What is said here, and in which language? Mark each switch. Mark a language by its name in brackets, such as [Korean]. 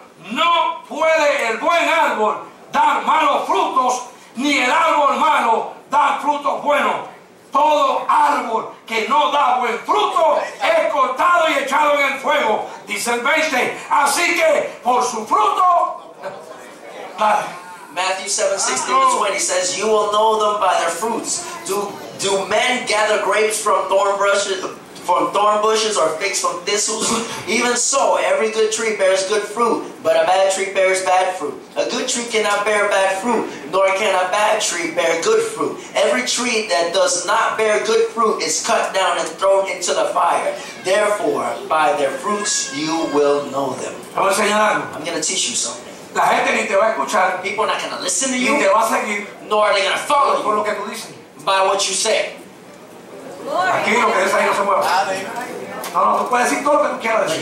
[Spanish] No puede el buen árbol dar malos frutos, ni el árbol malo dar frutos buenos. Todo árbol que no da buen fruto es cortado y echado en el fuego, dice el 20. Así que por su fruto, [English] Matthew 7:16-20 says, "You will know them by their fruits. Do men gather grapes from thorn bushes or figs from thistles? Even so, every good tree bears good fruit, but a bad tree bears bad fruit. A good tree cannot bear bad fruit, nor can a bad tree bear good fruit. Every tree that does not bear good fruit is cut down and thrown into the fire. Therefore, by their fruits you will know them." I'm going to teach you something. [Spanish] La gente ni te va a escuchar. [English] People are not going to listen to you. [Spanish] Ni te va a seguir. [English] Nor are they going to follow you. [Spanish] Por lo que tú dices. [English] By what you say. [Spanish] Aquí lo que dice ahí no se mueve. No, tú puedes decir todo lo que tú quieras decir.